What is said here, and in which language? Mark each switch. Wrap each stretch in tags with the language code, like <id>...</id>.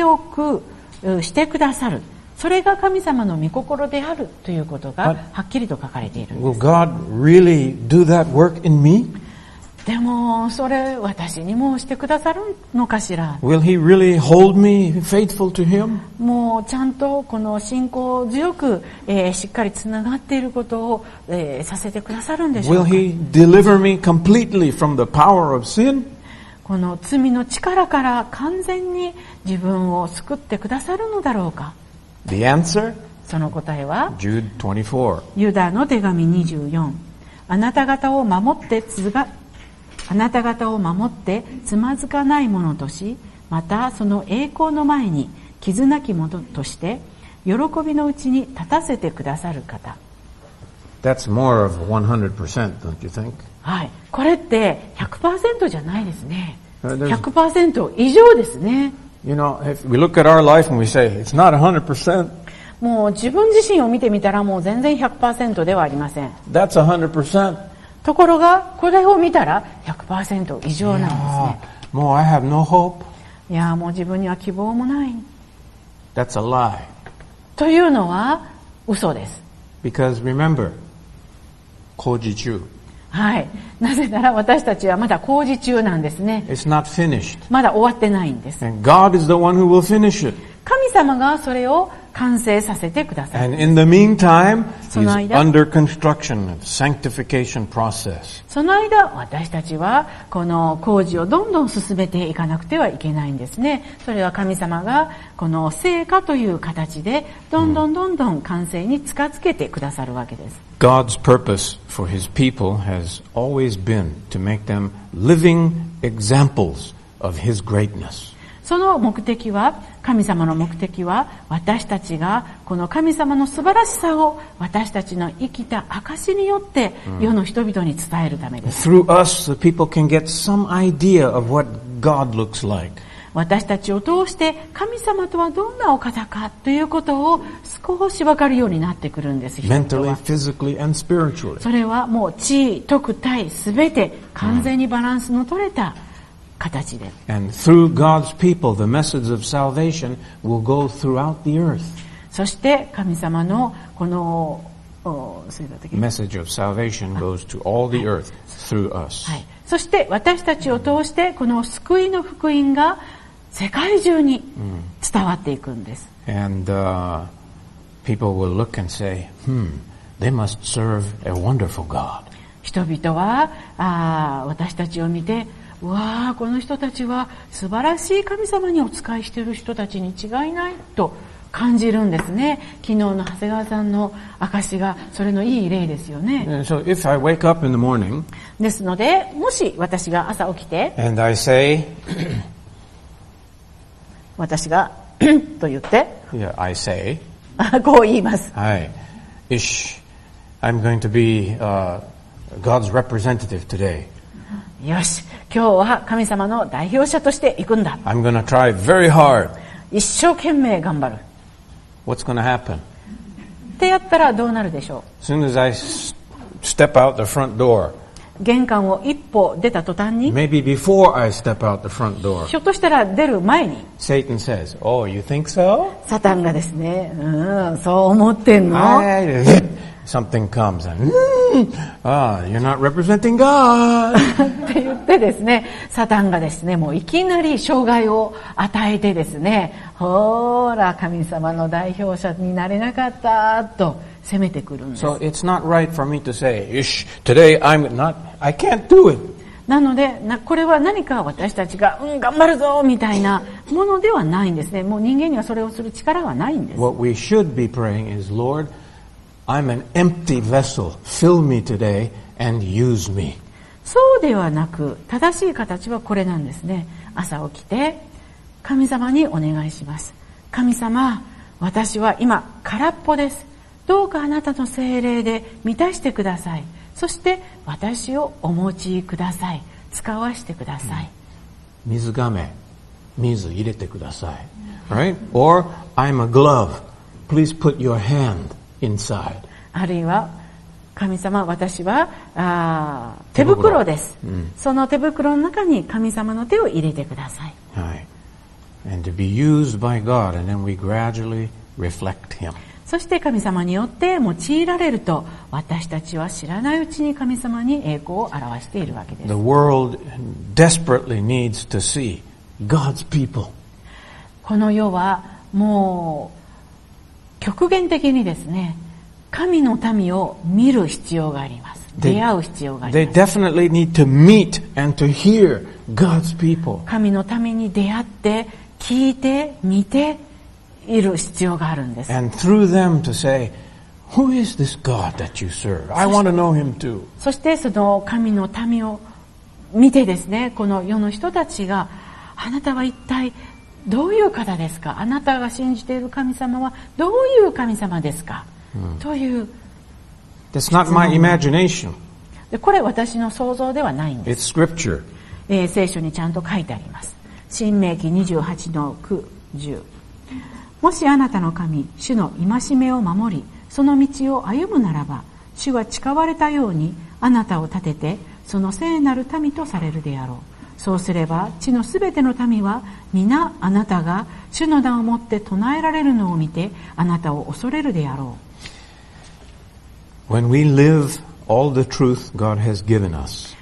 <ja>清くしてくださる、それが神様の御心であるということがはっきりと書かれているんです。</ja> <en>Will God really do that work in me?</en> <ja>でもそれ私にもしてくださるのかしら。</ja> <en>Will he really hold me faithful to him?</en> <ja>もうちゃんとこの信仰強く、しっかりつながっていることを、させてくださるんでしょうか。</ja> <en>Will he deliver me completely from the power of sin?</en> <ja>この罪の力から完全に自分を救ってくださるのだろうか。</ja> <en>The answer?</en> <ja>その答えは</ja> <en>Jude 24.</en> <ja>ユダの手紙24。あなた方を守ってあなた方を守ってつまずかないものとし、またその栄光の前に傷なきものとして喜びのうちに立たせてくださる方。</ja> <en>That's more of 100%, don't you think?</en> <ja>はい、これって 100% じゃないですね。 100% 以上ですね。</ja> <en>You know, if we look at our life and we say it's not 100%,</en> <ja>もう自分自身を見てみたらもう全然 100% ではありません。</ja> <en>That's 100%。</en> <ja>ところがこれを見たら 100% 以上なんですね。</ja> <en>Yeah, もう I have no hope.</en> <ja>いやもう自分には希望もない。</ja> <en>That's a lie.</en> <ja>というのは嘘です。</ja> <en>Because remember, 工事中。</en> <ja>はい、なぜなら私たちはまだ工事中なんですね。</ja> <en>It's not finished.</en> <ja>まだ終わってないんです。</ja> <en>And God is the one who will finish it.</en> <ja>神様がそれを完成させてください。</ja> <en>And in the meantime, he's under construction and sanctification process.</en> <ja>その間私たちはこの工事をどんどん進めていかなくてはいけないんですね。それは神様がこの成果という形でどんどんどんどん完成に近づけてくださるわけです。</ja> <en>God's purpose for his people has always been to make them living examples of his greatness.</en> <ja>その目的は、神様の目的は、私たちがこの神様の素晴らしさを私たちの生きた証によって世の人々に伝えるためです。 Mm.</ja> <en>Through us, the people can get some idea of what God looks like.</en> <ja>私たちを通して神様とはどんなお方かということを少し分かるようになってくるんです。</ja> <en>Mentally, physically, and spiritually.</en> <ja>それはもう地位、徳、体、すべて完全にバランスの取れた形で、mm.</ja> <en>And through God's people, the message of salvation will go throughout the earth.</en> <ja>そして神様のこの</ja> <en>message of salvation goes to all the earth through us.</en> <ja>はい、そして私たちを通してこの救いの福音が世界中に伝わっていくんです。</ja> <en>And, people will look and say, hmm, they must serve a wonderful God.</en> <ja>人々は私たちを見て、わあ、この人たちは素晴らしい神様にお仕えしている人たちに違いないと感じるんですね。昨日の長谷川さんの証がそれのいい例ですよね。</ja> <en>So if I wake up in the morning,</en> <ja>ですので、もし私が朝起きて、</ja> <en>and I say,</en> <ja>私がと言って、</ja> <en>yeah, I say,</en> <ja>こう言います。</ja> <en>はい、Ish, I'm going to be God's representative today.</en> <ja>よし、今日は神様の代表者として行くんだ。</ja> <en>I'm going to try very hard.</en> <ja>一生懸命頑張る。</ja> <en>What's going to happen?</en> <ja>ってやったらどうなるでしょう。</ja> <en>As soon as I step out the front door,</en> <ja>玄関を一歩出た途端に、</ja> <en>Maybe before I step out the front door,</en> <ja>ひょっとしたら出る前に、</ja> <en>Satan says, oh, you think so?</en> <ja>サタンがですね、そう思ってんの。</ja> <en>Something comes and, you're not representing God.</en> <ja>って言ってですね、サタンがですね、もういきなり障害を与えてですね、ほら神様の代表者になれなかったと責めてくるんです。</ja> <en>So it's not right for me to say, Ish, today I'm not, I can't do it.</en> <ja>なのでこれは何か私たちが、頑張るぞみたいなものではないんですね。もう人間にはそれをする力はないんです。</ja> <en>What we should be praying is, Lord, I'm an empty vessel. Fill me today and use me.</en> <ja>そうではなく、正しい形はこれなんですね。朝起きて神様にお願いします。神様、私は今空っぽです。どうかあなたの聖霊で満たしてください。そして私をお持ちください。使わせてください、うん、水がめ、水入れてください、うん、Right?</ja> <en>Or I'm a glove. Please put your hand inside.</en> <ja>あるいは神様、私は手袋です、うん、その手袋の中に神様の手を入れてください。はい。</ja> <en>And to be used by God, and then we gradually reflect Him.</en> <ja>そして神様によって用いられると、私たちは知らないうちに神様に栄光を表しているわけです。</ja> <en>The world desperately needs to see God's people.</en> <ja>この世はもう極限的にですね、神の民を見る必要があります。出会う必要があります。</ja> <en>They definitely need to meet and to hear God's people.</en> <ja>神の民に出会って聞いて見ている必要があるんです。</ja> <en>And through them to say, who is this God that you serve? I want to know him too.</en> <ja>そしてその神の民を見てですね、この世の人たちが、あなたは一体どういう方ですか？あなたが信じている神様はどういう神様ですか？という。</ja> <en>That's not my imagination.</en> <ja>これ私の想像ではないんです。</ja> <en>It's scripture.</en> <ja>聖書にちゃんと書いてあります。申命記28:9-10。もしあなたの神、主の戒めを守り、その道を歩むならば、主は誓われたようにあなたを立てて、その聖なる民とされるであろう。そうすれば、地のすべての民は皆あなたが主の名をもって唱えられるのを見て、あなたを恐れるであろう。</ja> <en>When we live all the truth God has given us.</en>